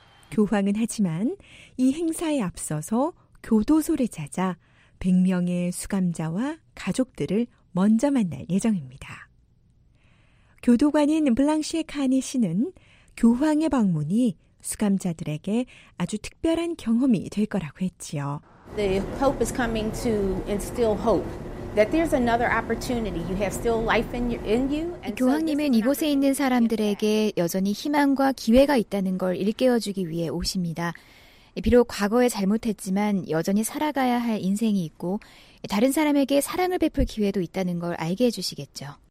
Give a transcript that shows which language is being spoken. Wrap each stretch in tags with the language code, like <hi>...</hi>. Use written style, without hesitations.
<ko>교황은 하지만 이 행사에 앞서서 교도소를 찾아 100명의 수감자와 가족들을 먼저 만날 예정입니다. 교도관인 블랑시에 카니 씨는 교황의 방문이 수감자들에게 아주 특별한 경험이 될 거라고 했지요.</ko> <en>The Pope is coming to instill hope that there's another opportunity. You have still life in you.</en> <ko>교황님은 이곳에 있는 사람들에게 여전히 희망과 기회가 있다는 걸 일깨워주기 위해 오십니다. 비록 과거에 잘못했지만 여전히 살아가야 할 인생이 있고 다른 사람에게 사랑을 베풀 기회도 있다는 걸 알게 해주시겠죠.</ko>